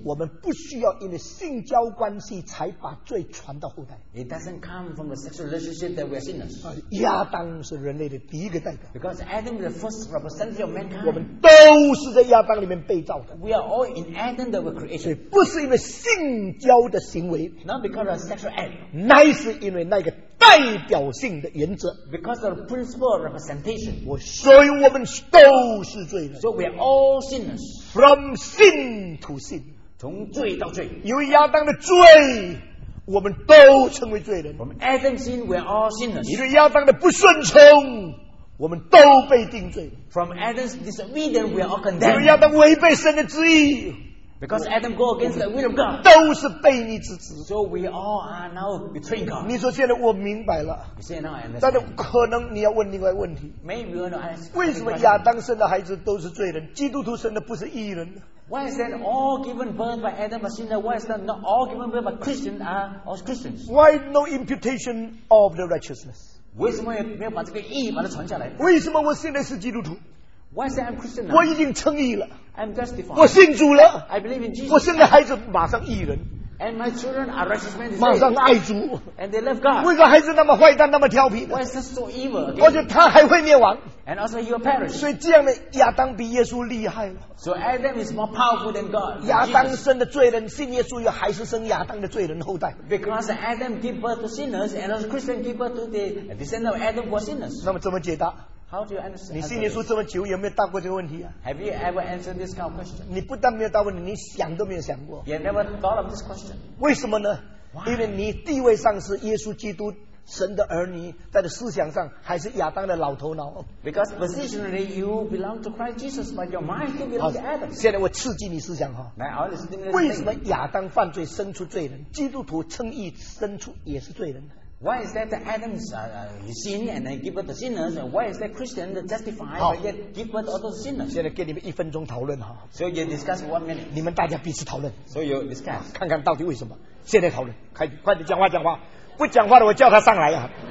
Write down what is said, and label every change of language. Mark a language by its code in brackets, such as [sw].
[zh] 我们不需要因为性交关系才把罪传到后代。 [en] It doesn't come from the sexual relationship that we are sinners. [zh] 亚当是人类的第一个代表。 [en] Because Adam is the first representative of mankind. [zh] 我们都是在亚当里面被造的。 [en] We are all in Adam that we created. [zh] 所以不是因为性交的行为 [en] ，Not because of sexual act. [zh] 乃是因为那个。代表性的原则 [en] ，because of the principle of representation， [zh] 所以我们都是罪人 [en] ，so we are all sinners， from sin to sin， [zh] 从罪到罪，因为亚当的罪，我们都成为罪人 [en] ，from Adam's sin we are all sinners， [zh] 因为亚当的不顺从，我们都被定罪 [en] ，from Adam's disobedience we are all condemned， [zh] 因为亚当违背神的旨意。 [en] Because Adam go against the will of God, [zh] 都是悖逆之子。 [en] So we all are now betraying God. [zh] 你说现在我明白了。 [en] You say now I understand. [zh] 但是可能你要问另外问题。 [en] Maybe you want to ask. [zh] 为什么亚当生的孩子都是罪人？基督徒生的不是义人 [en] ？Why is that all given birth by Adam a sinner? Why is that not all given birth by Christians are all Christians? Why no imputation of the righteousness? [zh] 为什么没有把这个义把它传下来？为什么我现在是基督徒？ [en] Why is that I'm Christian? [zh] 我已经称义了。 [en] I'm justified. [zh] 我信主了。 [en] I believe in Jesus. [zh] 我生的孩子马上义人。 [en] And my children are righteous men. [zh] 马上爱主。 [en] And they love God. [zh] 为什么孩子那么坏蛋，那么调皮呢 [en] ？Why is this so evil? [zh] 而且他还会灭亡。 [en] And also he will perish. [zh] 所以这样的亚当比耶稣厉害了。 [en] So Adam is more powerful than God. [zh] 亚当生的罪人信耶稣，又还是生亚当的罪人后代。 [en] Because Adam gave birth to sinners, and also Christian gave birth to the descendant of Adam was sinners. [zh] 那么怎么解答？ [en] How do you understand? [zh] 你信耶稣这么久，有没有答过这个问题啊 [en] ？Have you ever answered this kind of question? [zh] 你不但没有答问题，你想都没有想过。 [en] You never thought of this question. [zh] 为什么呢 [en] ？Why? [zh] 因为你地位上是耶稣基督神的儿女，在你思想上还是亚当的老头脑。 [en] Because positionally you belong to Christ Jesus, but your mind still belongs to Adam. [zh] 现在我刺激你思想哈。 [en] Now, [zh] why? 为什么亚当犯罪生出罪人，基督徒称义生出也是罪人呢？ [en] Why is that Adam's sin and then give birth to sinners? Why is that Christian justified but yet give birth to all sinners? [zh] 现在给你们一分钟讨论哈。 [en] So you discuss 1 minute. [zh] 你们大家彼此讨论。 [en] So you discuss. [zh] 看看到底为什么？现在讨论，快快点讲话讲话，不讲话的我叫他上来呀、啊。